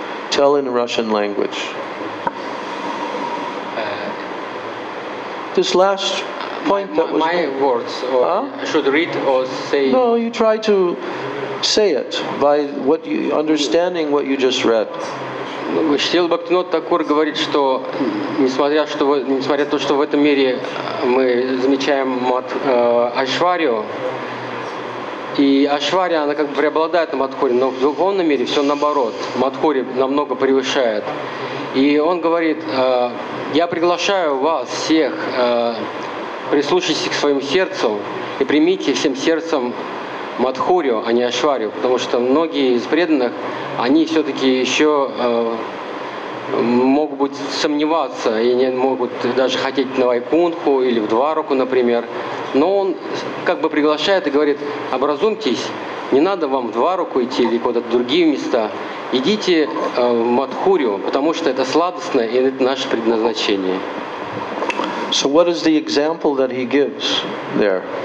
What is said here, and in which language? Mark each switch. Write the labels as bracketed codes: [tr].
[en] Tell in Russian language. This last point that was... My words, or I should read or say... No, you try to say it by what you, understanding what you just read. [ru] Шрила Бхактивинода Такур говорит, что несмотря на то, что в этом мире мы замечаем Айшварию, и Айшвария, она как бы преобладает на Мадхуре, но в духовном мире все наоборот, Мадхуре намного превышает. И он говорит, я приглашаю вас всех, прислушайтесь к своим сердцам и примите всем сердцем Мадхурю, а не Айшварию, потому что многие из преданных, они все-таки еще могут быть сомневаться, и они могут даже хотеть на Вайкунху или в Двараку, например. Но он как бы приглашает и говорит, образумьтесь, не надо вам в Двараку идти или куда-то в другие места, идите в Мадхурю, потому что это сладостно, и это наше предназначение. [en] So what is the example that he gives there?